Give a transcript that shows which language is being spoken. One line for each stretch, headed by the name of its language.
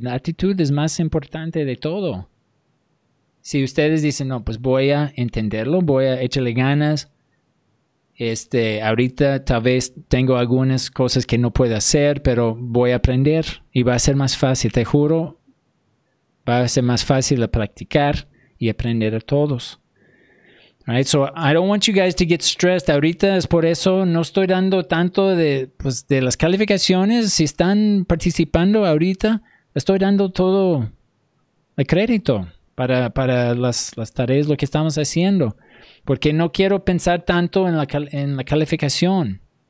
Spanish: La actitud es más importante de todo. Si ustedes dicen, no, pues voy a entenderlo, voy a echarle ganas. Ahorita tal vez tengo algunas cosas que no puedo hacer, pero voy a aprender y va a ser más fácil, te juro. Va a ser más fácil de practicar y aprender a todos.
English: All right, so I don't want you guys to get stressed.
Spanish: Ahorita es por eso no estoy dando tanto de, pues, de las calificaciones. Si están participando ahorita, estoy dando todo el crédito para las tareas, lo que estamos haciendo. Porque no quiero pensar tanto en la calificación.